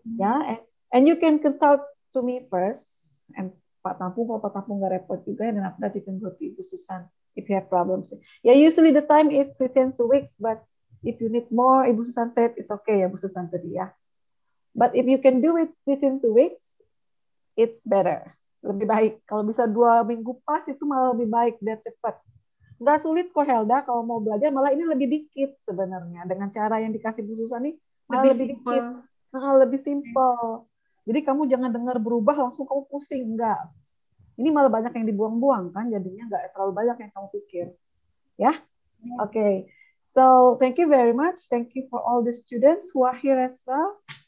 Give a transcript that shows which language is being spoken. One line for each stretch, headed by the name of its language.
English: Yeah, and you can consult to me first, and Pak Tampung,
Indonesian: kalau Pak Tampung nggak repot juga,
English: and after that you can go to Ibu Susan if you have problems. Yeah, usually the time is within 2 weeks, but if you need more, Ibu Susan said it's okay, Ibu Susan
Indonesian: tadi ya.
English: But if you can do it within 2 weeks, it's better,
Indonesian: lebih baik. Kalau bisa 2 minggu pas itu malah lebih baik, biar cepat. Nggak sulit kok Helda, kalau mau belajar malah ini lebih dikit sebenarnya dengan cara yang dikasih Ibu Susan nih. Lebih simple. Jadi kamu jangan dengar berubah langsung kamu pusing, enggak. Ini malah banyak yang dibuang-buang kan, jadinya enggak terlalu banyak yang kamu pikir.
English: Ya? Oke. Okay. So, thank you very much. Thank you for all the students who are here as well.